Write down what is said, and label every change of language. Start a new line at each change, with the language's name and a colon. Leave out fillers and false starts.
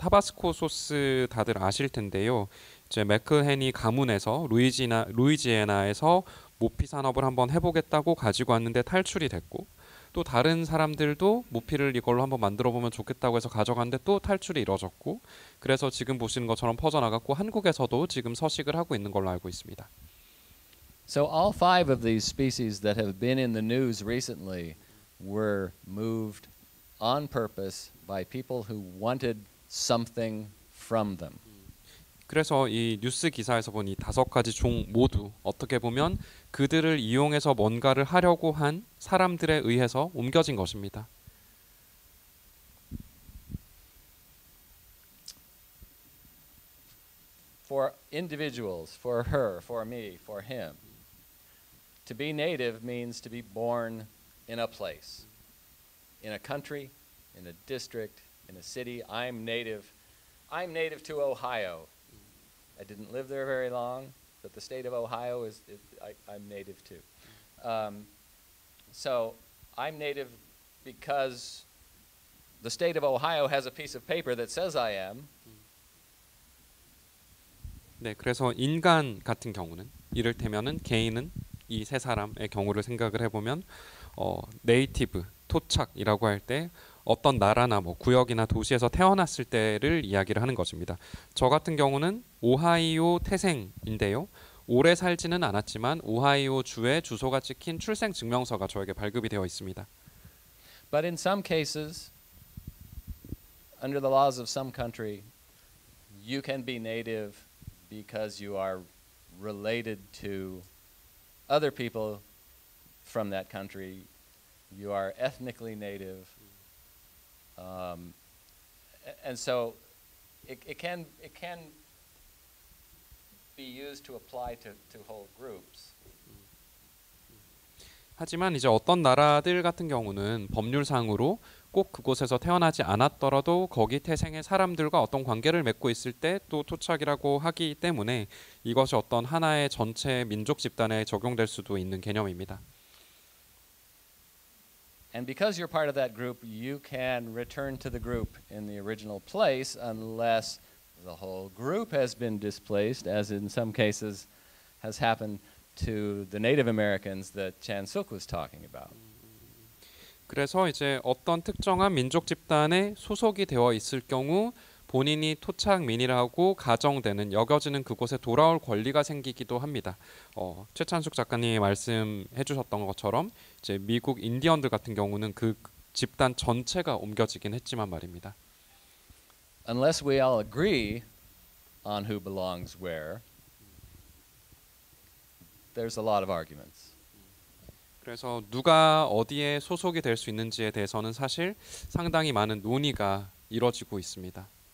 Korean: 타바스코 소스 다들 아실 텐데요. 이제 맥클헨이 가문에서 루이지애나에서 모피 산업을 한번 해보겠다고 가지고 왔는데 탈출이 됐고 또 다른 사람들도 모피를 이걸로 한번 만들어보면 좋겠다고 해서 가져갔는데 또 탈출이 이뤄졌고 그래서 지금 보시는 것처럼 퍼져나갔고 한국에서도 지금 서식을 하고 있는 걸로 알고 있습니다.
English: So all five of these species that have been in the news recently were moved on purpose by people who wanted something from them.
Korean: 그래서 이 뉴스 기사에서 본 이 다섯 가지 종 모두 어떻게 보면 그들을 이용해서 뭔가를 하려고 한 사람들에 의해서 옮겨진 것입니다.
English: For individuals, for her, for me, for him. To be native means to be born in a place. In a country, in a district, in a city. I'm native to Ohio. I didn't live there very long, but the state of Ohio I'm native to. So I'm native because the state of Ohio has a piece of paper that says I am.
Korean: 네, 그래서 인간 같은 경우는 이를테면은 개인은 이 세 사람의 경우를 생각을 해보면 네이티브, 토착이라고 할 때 어떤 나라나 뭐 구역이나 도시에서 태어났을 때를 이야기를 하는 것입니다. 저 같은 경우는 오하이오 태생인데요. 오래 살지는 않았지만 오하이오 주에 주소가 찍힌 출생 증명서가 저에게 발급이 되어 있습니다.
English: But in some cases, under the laws of some country, you can be native because you are related to other people from that country. You are ethnically native. And so it can be used to apply to whole groups.
Korean: 하지만 이제 어떤 나라들 같은 경우는 법률상으로 꼭 그곳에서 태어나지 않았더라도 거기 태생의 사람들과 어떤 관계를 맺고 있을 때 또 토착이라고 하기 때문에 이것이 어떤 하나의 전체 민족 집단에 적용될 수도 있는 개념입니다.
English: And because you're part of that group, you can return to the group in the original place unless the whole group has been displaced, as in some cases has happened to the Native Americans that Chan Suk was talking about.
Korean: 그래서 이제 어떤 특정한 민족 집단에 소속이 되어 있을 경우 본인이 토착민이라고 가정되는 여겨지는 그곳에 돌아올 권리가 생기기도 합니다. 최찬숙 작가님이 말씀해 주셨던 것처럼 이제 미국 인디언들 같은 경우는 그 집단 전체가 옮겨지긴 했지만 말입니다.
English: Unless we all agree on who belongs where, there's a lot of arguments.
Korean: 그래서 누가 어디에 소속이 될 수 있는지에 대해서는 사실 상당히 많은 논의가 이루어지고 있습니다.